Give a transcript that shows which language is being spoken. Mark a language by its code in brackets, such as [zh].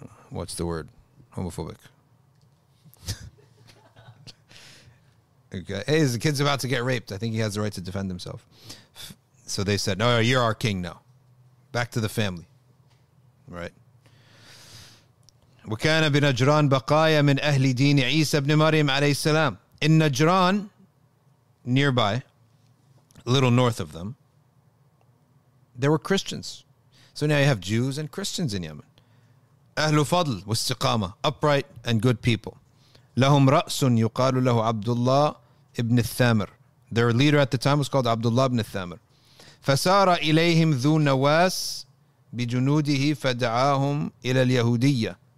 [en] What's the word? Homophobic. Okay. Hey, the kid's about to get raped. I think he has the right to defend himself. So they said, no, you're our king now. Back to the family. Right. [ar] وكان بنجران بقايا من أهل دين عيسى بن مريم عليه السلام. [en] In Najran, nearby, a little north of them, there were Christians. So now you have Jews and Christians in Yemen. [ar] أهل فضل واستقامة, [en] upright and good people. [ar] لهم رأس يقال له عبد الله ابن الثامر. [en] Their leader at the time was called Abdullah ibn al-Thamir. [ar] فسار إليهم ذو نواس بجنوده فدعاهم إلى اليهودية.